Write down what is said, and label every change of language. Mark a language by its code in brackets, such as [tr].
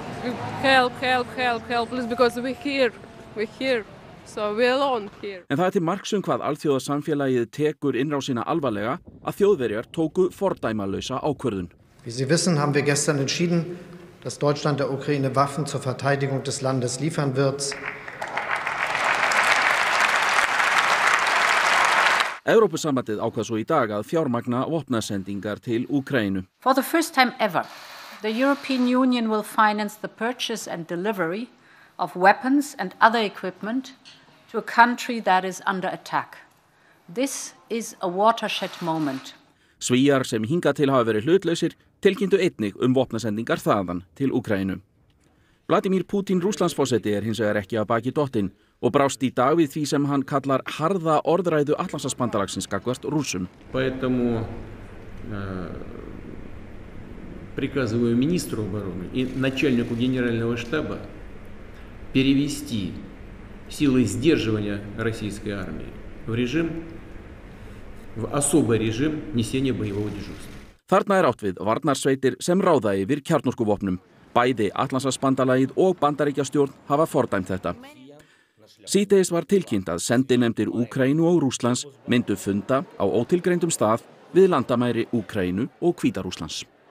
[en] We say help, please, because we're here. So we're alone here. [is] En það til marks hvað alþjóðasamfélagið tekur innrásina alvarlega að Þjóðverjar tóku fordæmalausa ákvörðun. [de] Wie Sie wissen, haben wir gestern entschieden, dass Deutschland der Ukraine Waffen zur Verteidigung des Landes liefern wird. [is] Evrópusambandið ákvað svo í dag að fjármagna vopnasendingar til Úkraínu. [en] For the first time ever, the European Union will finance the purchase and delivery of weapons and other equipment to a country that is under attack. This is a watershed moment. [is] Svíar sem hinga til hafa verið hlutlausir tilkynntu einnig vopnasendingar þaðan til Úkraínu. Vladimír Pútín Rússlandsforseti hins vegar ekki að baki dottinn og brást í dag við því sem hann kallar harða orðræðu Atlantshafsbandalagsins gagnvart Rússum. [ru] Поэтому приказываю министру обороны и начальнику генерального штаба перевести силы сдерживания российской армии в особый режим несения боевого дежурства. [is] Þarna átt við varnarsveitir sem ráða yfir kjarnorkuvopnum. Bæði Atlantshafsbandalagið og Bandaríkjastjórn hafa fordæmt þetta. Síðdegis var tilkynnt að sendinefndir Úkraínu og Rússlands myndu funda á ótilgreindum stað við landamæri Úkraínu og Hvíta-Rússlands.